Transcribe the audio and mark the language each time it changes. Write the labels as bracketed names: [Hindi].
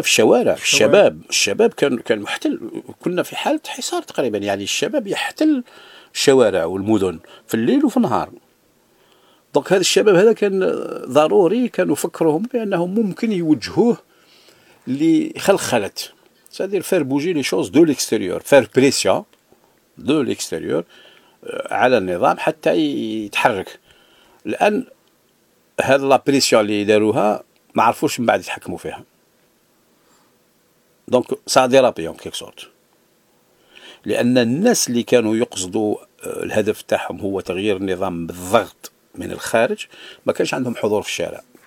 [Arabic] في الشوارع، الشباب كان محتل، كنا في حالة حصار تقريبا، يعني الشباب يحتل الشوارع والمدن في الليل وفي النهار. [French] دونك [Arabic] هذا الشباب هذا كان ضروري، كانوا فكرهم بأنهم ممكن يوجهوه لخلخلة [French] c'est-à-dire faire bouger les choses de l'extérieur, faire pression de l'extérieur [Arabic] على النظام حتى يتحرك. الآن هاد [French] لا بريسيون [Arabic] اللي داروها ما عرفوش من بعد يتحكموا فيها. [French] دونك سا ديرابي اون كيك سورت. [Arabic] لأن الناس اللي كانوا يقصدوا الهدف تاعهم هو تغيير النظام بالضغط من الخارج ما كانش عندهم حضور في الشارع.